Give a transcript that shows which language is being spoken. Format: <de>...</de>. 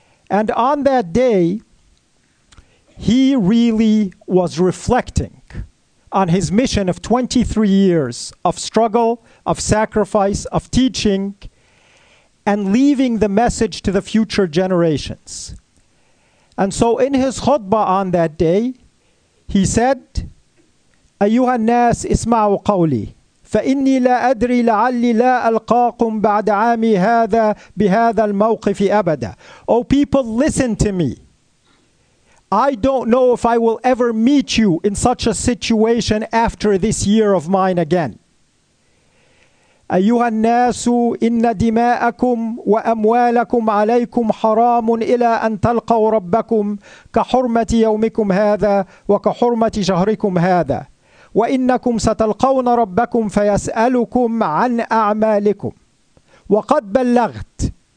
<en>And on that day, he really was reflecting on his mission of 23 years of struggle, of sacrifice, of teaching, and leaving the message to the future generations. And so in his khutbah on that day, he said,</en> <ar>أَيُّهَا النَّاسِ اسْمَعُوا قَوْلِي فَإِنِّي لَا أَدْرِي لَعَلِّي لَا أَلْقَاكُمْ بَعْدَ عَامِي هَذَا بِهَذَا الْمَوْقِفِ أَبَدًا.</ar> <en>O people, listen to me. I don't know if I will ever meet you in such a situation after this year of mine again.</en> <ar>أَيُّهَا النَّاسُ إِنَّ دِمَاءَكُمْ وَأَمْوَالَكُمْ عَلَيْكُمْ حَرَامٌ إِلَىٰ أَنْ تَلْقَوْا رَبَّكُمْ كَحُرْمَةِ يَوْمِكُمْ هَذَا وَكَحُرْمَةِ شَهْرِكُمْ هَذَا وَإِنَّكُمْ سَتَلْقَوْنَ رَبَّكُمْ فَيَسْأَلُكُمْ عَنْ أَعْمَالِكُمْ وَقَدْ بَلَّغْتُ.</ar>